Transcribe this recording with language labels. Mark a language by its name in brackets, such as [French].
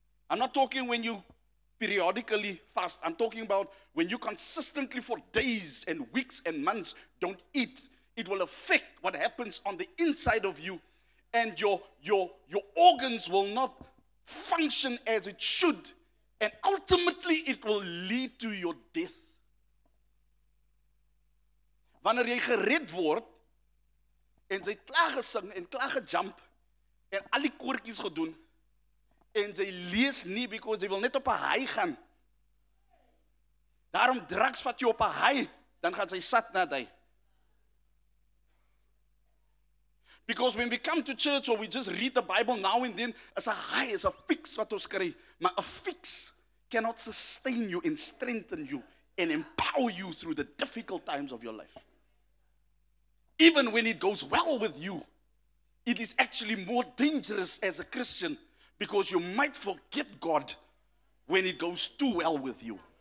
[English] I'm not talking when you periodically fast. I'm talking about when you consistently for days and weeks and months don't eat. It will affect what happens on the inside of you, and your organs will not function as it should. And ultimately, it will lead to your death. [Afrikaans] Wanneer jy gered word en jy klaar gesing en klaar gejump en al die koortjies gedoen en jy lees nie because jy wil net op 'n high gaan. Daarom drugs vat jy op 'n high, dan gaan jy sat na jy. [English] Because when we come to church or we just read the Bible now and then, as a high, as a fix wat ons kry, maar 'n fix cannot sustain you and strengthen you and empower you through the difficult times of your life. Even when it goes well with you, it is actually more dangerous as a Christian because you might forget God when it goes too well with you.